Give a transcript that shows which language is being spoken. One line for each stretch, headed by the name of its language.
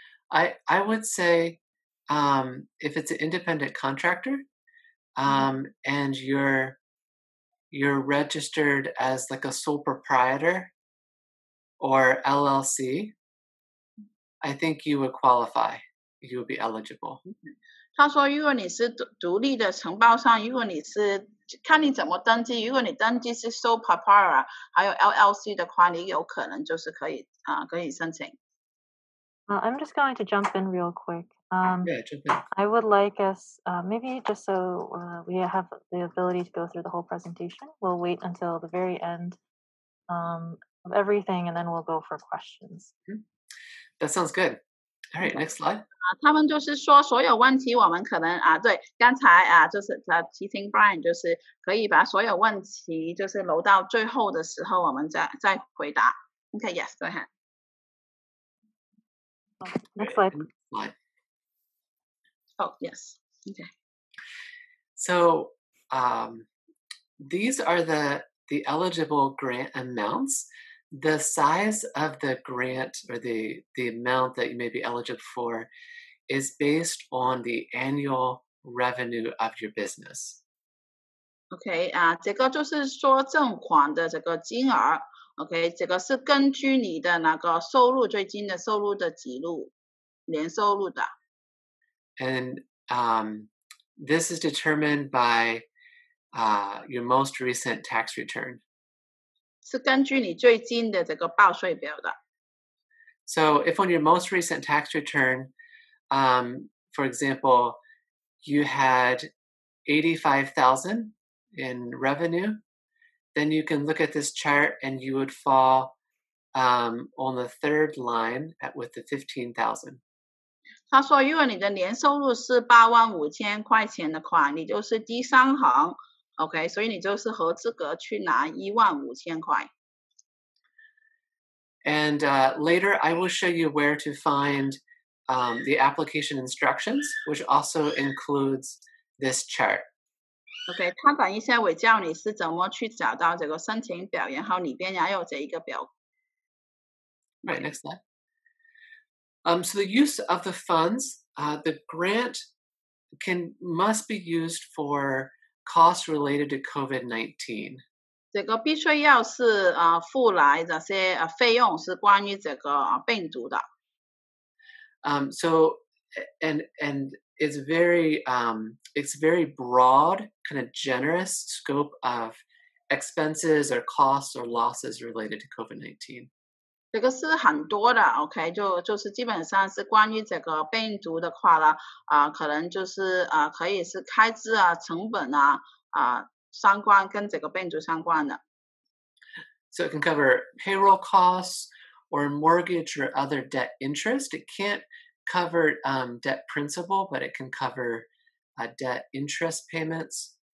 English: I would say if it's an independent contractor and you're registered as like a sole proprietor or LLC, I think you would qualify. You would be eligible.
Chinese: 他说如果你是独立的承包商如果你是看你怎么登记如果你登记是 sole proprietor 还有 LLC 的话你有可能就是可以申请。
English: I'm just going to jump in real quick. Jump in. I would like us, maybe just so we have the ability to go through the whole presentation, we'll wait until the very end of everything, and then we'll go for questions. That sounds good. All right, next slide.
Chinese: 他们就是说所有问题我们可能对刚才就是提醒 Brian 就是可以把所有问题就是留到最后的时候我们再回答。
English: Okay, yes, go ahead. Next slide. Oh, yes. Okay. So these are the eligible grant amounts. The size of the grant or the amount that you may be eligible for is based on the annual revenue of your business. Okay.
Chinese: 这个就是说赠款的这个金额。
English: Okay.
Chinese: 这个是根据你的那个收入最近的收入的记录。年收入的
English: And this is determined by your most recent tax return.
Chinese: 是根据你最近的这个报税表的
English: So if on your most recent tax return, for example, you had $85,000 in revenue, then you can look at this chart and you would fall on the third line with the $15,000.
Chinese: 他说如果你的年收入是$85,000的话你就是第三行 OK 所以你就是合资格去拿$15,000
English: And later I will show you where to find the application instructions which also includes this chart
Chinese: OK 他等一下我教你是怎么去找到这个申请表然后里边也有这一个表
English: Right next slide So the use of the funds, the grant must be used for costs related to COVID-19.
Chinese: 这个必须要是 付来这些费用是关于这个 病毒的。
English: So it's very broad, kind of generous scope of expenses or costs or losses related to COVID-19.
Chinese: 这个是很多的, okay, 就是基本上是关于这个病毒的话了，可能就是可以是开支啊、成本啊、相关跟这个病毒相关的。
English: So it can cover payroll costs or mortgage or other debt interest. It can't cover debt principal, but it can cover debt interest payments.